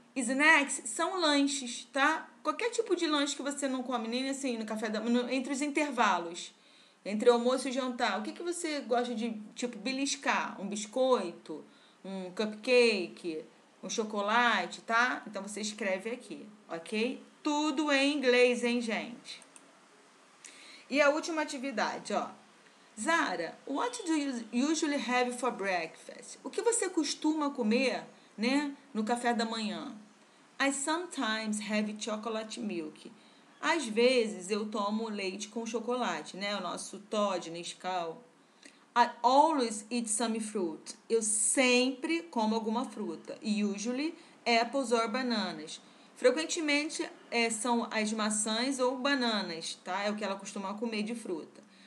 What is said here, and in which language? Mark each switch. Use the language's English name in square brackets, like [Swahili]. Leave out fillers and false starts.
[Portuguese] Snacks são lanches, tá? Qualquer tipo de lanche que você não come, nem assim, no café da manhã, entre os intervalos. Entre almoço e jantar, o que que você gosta de, tipo, beliscar? Um biscoito? Um cupcake? Um chocolate, tá? Então você escreve aqui, ok? Tudo em inglês, hein, gente? E a última atividade, ó. [English] Zara, what do you usually have for breakfast? [Portuguese] O que você costuma comer, né, no café da manhã? [English] I sometimes have chocolate milk. [Portuguese] Às vezes eu tomo leite com chocolate, né? O nosso Toddy, Nescau. [English] I always eat some fruit. [Portuguese] Eu sempre como alguma fruta. [English] Usually apples or bananas. [Portuguese] Frequentemente são as maçãs ou bananas, tá? É o que ela costuma comer de fruta.